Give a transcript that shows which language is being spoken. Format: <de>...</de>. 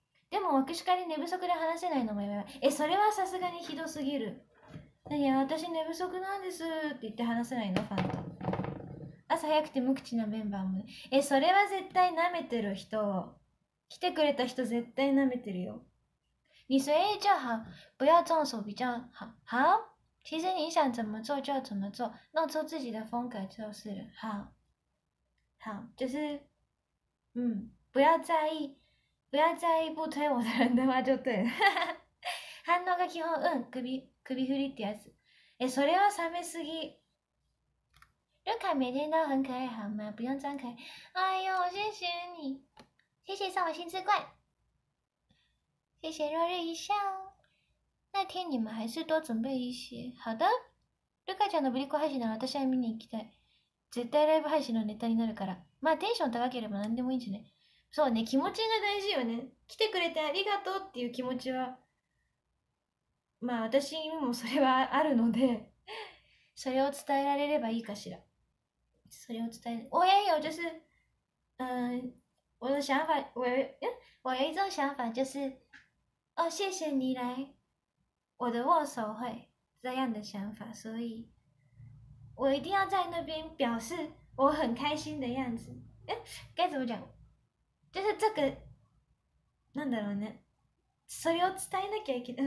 <ja>でも握手会で寝不足で話せないのもやばい。え、それはさすがにひどすぎる。何や、私寝不足なんですって言って話せないの、ファンと。朝早くて無口なメンバーも、え、それは絶対舐めてる人、来てくれた人絶対舐めてるよ。</ja> <zh>你随意就好，不要动手比较好。好，其实你想怎么做就怎么做，弄出自己的风格就是了。好，好，就是，嗯，不要在意，不要在意不推我的人的话就对了。</zh> <ja>反応が基本、うん、首振りってやつ。え、それは冷めすぎ。</ja> <zh>瑞卡每天都很可爱好吗？不用装可爱。哎呦，谢谢你，谢谢送我新字冠，谢谢落日一笑。那天你们还是多准备一些。好的，</zh> <ja>瑞卡ちゃんのブリコ配信なら私は見に行きたい。絶対ライブ配信のネタになるから。まあテンション高ければ何でもいいんじゃない。そうね、気持ちが大事よね。来てくれてありがとうっていう気持ちは、まあ私にもそれはあるので。それを伝えられればいいかしら。それを伝え、</ja> <zh>我也有就是，我的想法，我有一种想法就是，哦，谢谢你来我的握手会这样的想法，所以我一定要在那边表示我很开心的样子。哎，该怎么讲？就是这个，</zh> <ja>なんだろうね。それを伝えなきゃいけない。</ja>